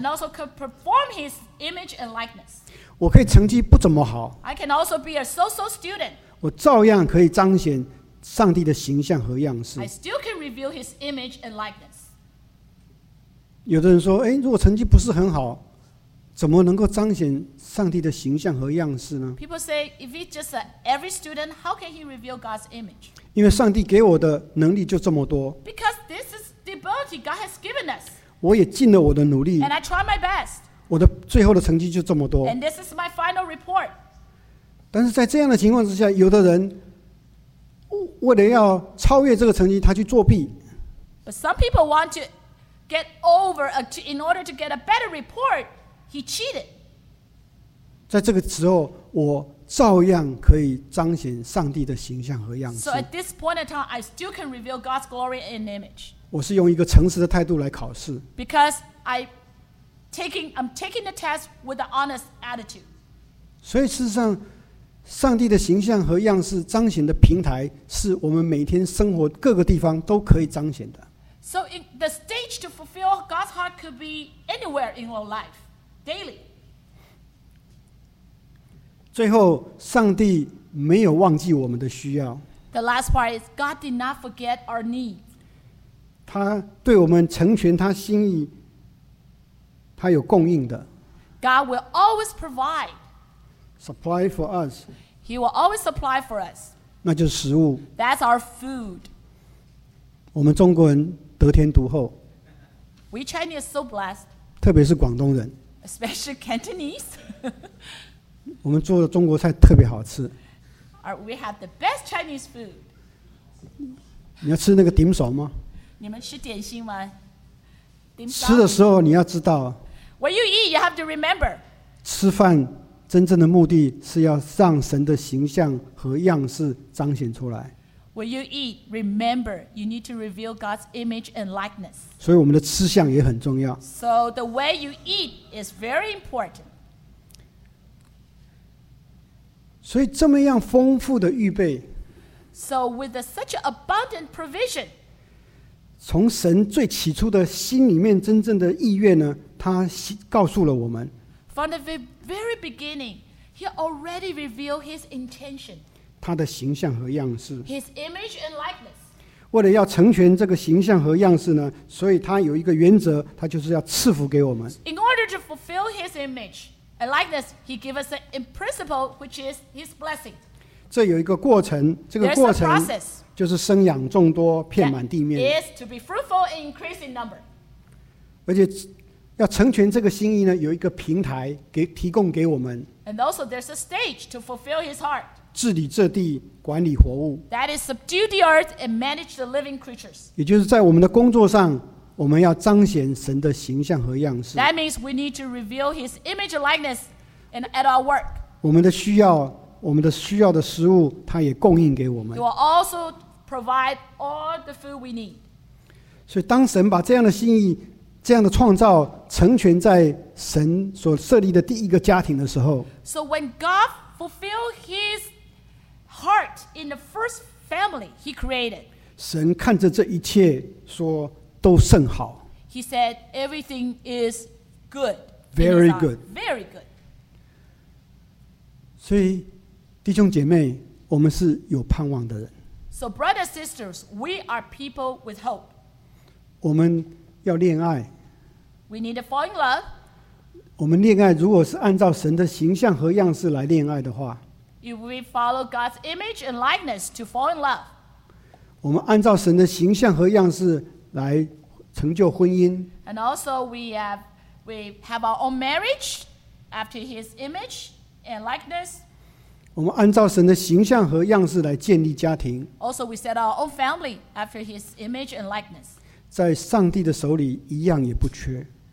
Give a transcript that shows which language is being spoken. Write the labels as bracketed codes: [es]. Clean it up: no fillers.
[en] And also can perform His image and likeness. [zh] 我可以成绩不怎么好。 [en] I can also be a so-so student. [zh] 我照样可以彰显上帝的形象和样式。 [en] I still can reveal His image and likeness. [zh] 有的人说，如果成绩不是很好，怎么能够彰显上帝的形象和样式呢？ [en] People say, if he's just every student, how can he reveal God's image? [zh] 因为上帝给我的能力就这么多。 [en] Because this is the ability God has given us. [zh] 我也尽了我的努力。 [en] And I try my best. [zh] 我的最后的成绩就这么多。 [en] And this is my final report. [zh] 但是在这样的情况之下，有的人为了要超越这个成绩，他去作弊。 [en] But some people want to... Get over in order to get a better report, he cheated. [zh] 在这个时候，我照样可以彰显上帝的形象和样式。 [en] So at this point in time, I still can reveal God's glory and image. [zh] 我是用一个诚实的态度来考试。 [en] Because I'm taking the test with an honest attitude. [zh] 所以事实上，上帝的形象和样式彰显的平台，是我们每天生活各个地方都可以彰显的。 [en] So in the stage to fulfill God's heart could be anywhere in your life, daily. [zh] 最后，上帝没有忘记我们的需要。 [en] The last part is God did not forget our need. [zh] 他对我们成全他心意，他有供应的。 [en] God will always provide. Supply for us. He will always supply for us. [zh] 那就是食物。 [en] That's our food. [zh] 我们中国人得天独厚。 [en] We Chinese are so blessed. [zh] 特别是广东人。 [en] Especially Cantonese. [zh] 我们做的中国菜特别好吃。 [en] We have the best Chinese food. [zh] 你要吃那个 dim sum 吗？你们吃点心吗？吃的时候你要知道。 [en] When you eat, you have to remember. [zh] 吃饭真正的目的是要让神的形象和样式彰显出来。 [en] When you eat, remember, you need to reveal God's image and likeness. [zh] 所以我们的吃相也很重要。 [en] So the way you eat is very important. [zh] 所以这么样丰富的预备 [en] So with such abundant provision [zh] 从神最起初的心里面真正的意愿呢他告诉了我们 [en] From the very beginning He already revealed His intention [zh] 他的形象和样式 [en] His image and likeness [zh] 为了要成全这个形象和样式呢所以他有一个原则他就是要赐福给我们 [en] In order to fulfill His imageA likeness, he gives us a principle, which is his blessing. [zh] 这有一个过程，这个过程就是生养众多，遍满地面。 [en] Is to be fruitful and increase in number. [zh] 而且要成全这个心意呢，有一个平台给提供给我们。 [en] And also, there's a stage to fulfill his heart. [zh] 治理这地，管理活物。 [en] That is subdue the earth and manage the living creatures. [zh] 也就是在我们的工作上。我们要彰显神的形象和样式。 [en] That means we need to reveal His image and likeness, and at our work. [zh] 我们的需要，我们的需要的食物，他也供应给我们。 [en] He will also provide all the food we need. [zh] 所以，当神把这样的心意、这样的创造成全在神所设立的第一个家庭的时候 [en] ，So when God fulfilled His heart in the first family He created, [zh] 神看着这一切说。都甚好。 [en] He said everything is good. Very good. Very good. [zh] 所以弟兄姐妹，我们是有盼望的人。 [en] So brothers and sisters, we are people with hope. [zh] 我们要恋爱。 [en] We need to fall in love. [zh] 我们恋爱如果是按照神的形象和样式来恋爱的话。 [en] If we follow God's image and likeness to fall in love. [zh] 我们按照神的形象和样式来成就婚姻 [en] And also we have our own marriage after his image and likeness [zh] 我们按照神的形象和样式来建立家庭 [en] Also we set our own family after his image and likeness [zh] 在上帝的手里一样也不缺